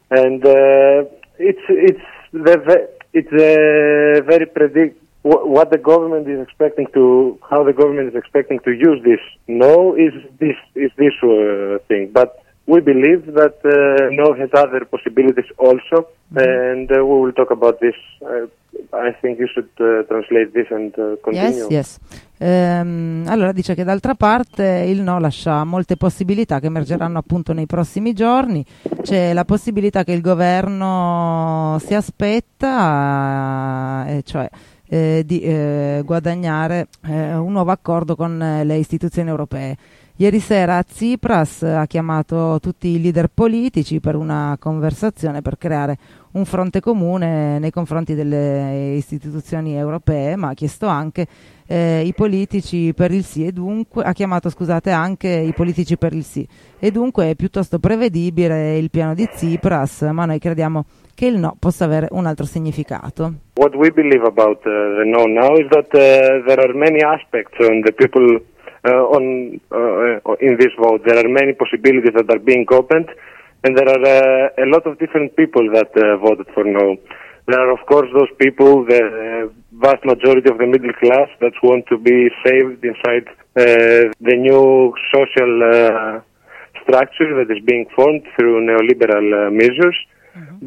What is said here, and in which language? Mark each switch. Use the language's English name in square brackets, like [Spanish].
[English] And it's a very predict what the government is expecting to, how the government is expecting to use this no is this thing. But we believe that no has other possibilities also, mm-hmm. and we will talk about this. I think you should translate this and continue. Yes. [Italian] Allora dice che d'altra parte il no lascia molte possibilità che emergeranno appunto nei prossimi giorni. C'è la possibilità che il governo si aspetta, cioè guadagnare un nuovo accordo con le istituzioni europee. Ieri sera Tsipras ha chiamato tutti i leader politici per una conversazione per creare un fronte comune nei confronti delle istituzioni europee, ma ha chiesto anche i politici per il sì e dunque ha chiamato, scusate, anche i politici per il sì. E dunque è piuttosto prevedibile il piano di Tsipras, ma noi crediamo che il no possa avere un altro significato. [English] What we believe about the no now is that there are many aspects on the people in this vote. There are many possibilities that are being opened, and there are a lot of different people that voted for no. There are of course those people, the vast majority of the middle class, that want to be saved inside the new social structure that is being formed through neoliberal measures. Mm-hmm.